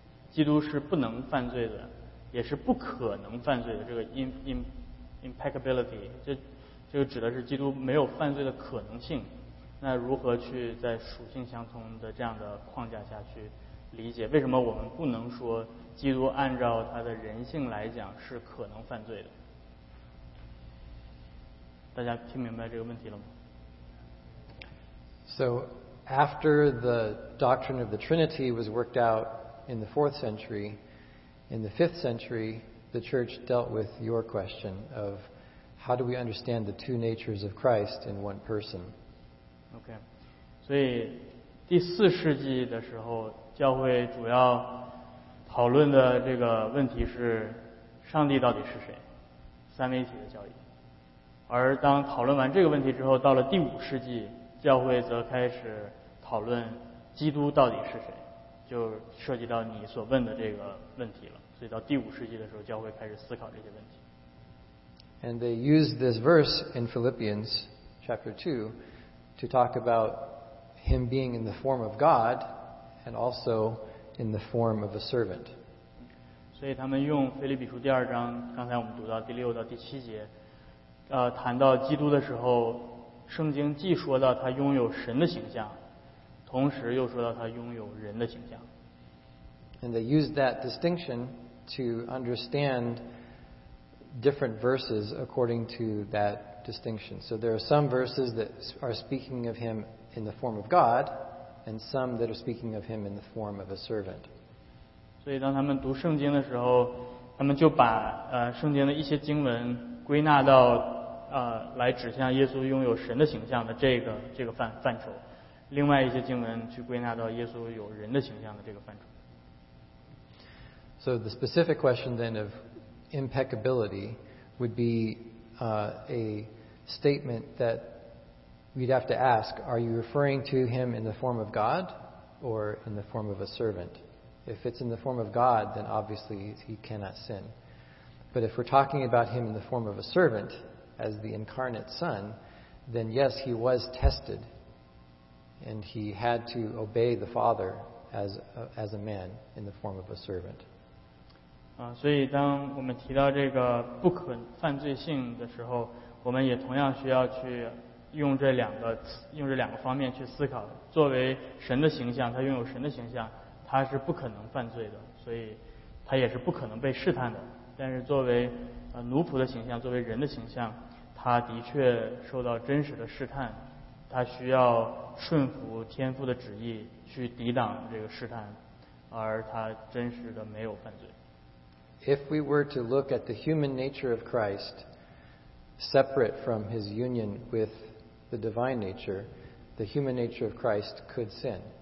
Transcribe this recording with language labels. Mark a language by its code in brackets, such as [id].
[zh] 基督是不能犯罪的，也是不可能犯罪的。这个 impeccability 这个指的是基督没有犯罪的可能性。那如何去在属性相通的这样的框架下去理解？为什么我们不能说基督按照他的人性来讲是可能犯罪的？大家听明白这个问题了吗？ [en] So after the doctrine of the Trinity was worked out in the 4th century, in the 5th century, the church dealt with your question of how do we understand the two natures of Christ in one person? Okay. [zh] 所以第四世纪的时候，教会主要讨论的这个问题是上帝到底是谁？三位一体的教义。而当讨论完这个问题之后，到了第五世纪，教会则开始讨论基督到底是谁，就涉及到你所问的这个问题了。所以到第五世纪的时候，教会开始思考这些问题。 [en] And they used this verse in Philippians chapter 2 to talk about him being in the form of God and also in the form of a servant. [zh] 所以他们用腓立比书第二章，刚才我们读到第六到第七节。谈到基督的时候，圣经既说到他拥有神的形象，同时又说到他拥有人的形象。 [en] And they used that distinction to understand different verses according to that distinction. So there are some verses that are speaking of him in the form of God, and some that are speaking of him in the form of a servant. [zh] 所以当他们读圣经的时候，他们就把圣经的一些经文归纳到来指向耶稣拥有神的形象的这个范畴，另外一些经文去归纳到耶稣有人的形象的这个范畴。 [en] So the specific question then of impeccability would be a statement that we'd have to ask: Are you referring to him in the form of God or in the form of a servant? If it's in the form of God, then obviously he cannot sin. But if we're talking about him in the form of a servant, as the incarnate son, then yes, he was tested and he had to obey the father as a man in the form of a servant. [zh] 所以当我们提到这个不可犯罪性的时候，我们也同样需要去用这两个方面去思考。作为神的形象，他拥有神的形象，他是不可能犯罪的，所以他也是不可能被试探的。但是作为奴仆的形象，作为人的形象，他的确受到真实的试探，他需要顺服天父的旨意去抵挡这个试探，而他真实的没有犯罪。 [en] If we were to look at the human nature of Christ separate from his union with the divine nature, the human nature of Christ could sin.